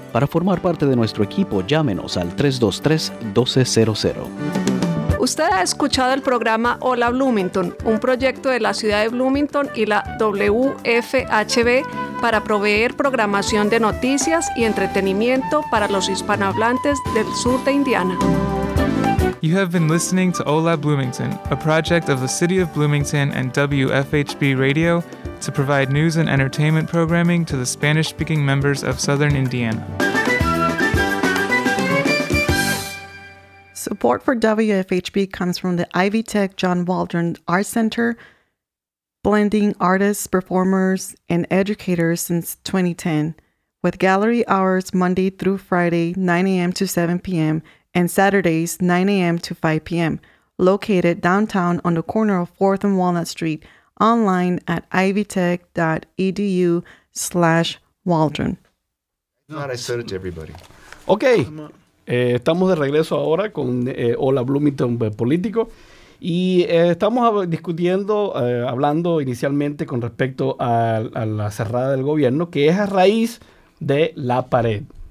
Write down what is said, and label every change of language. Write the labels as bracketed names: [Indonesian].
[Spanish] Para formar parte de nuestro equipo, llámenos al 323-1200. Usted ha escuchado el programa Hola Bloomington, un proyecto de la ciudad de Bloomington y la WFHB para proveer programación de noticias y entretenimiento para los hispanohablantes del sur de Indiana. [English] You have been listening to Hola Bloomington, a project of the City of Bloomington and WFHB Radio to provide news and entertainment programming to the Spanish-speaking members of Southern Indiana. Support for WFHB comes from the Ivy Tech John Waldron Art Center, blending artists, performers, and educators since 2010, with gallery hours Monday through Friday, 9 a.m. to 7 p.m., and Saturdays, 9 a.m. to 5 p.m., located downtown on the corner of 4th and Walnut Street, online at ivytech.edu/Waldron. Not I said it to everybody. Okay. [Spanish] Estamos de regreso ahora con Hola Bloomington Político y estamos discutiendo, hablando inicialmente con respecto a la cerrada del gobierno, que es a raíz de la pared.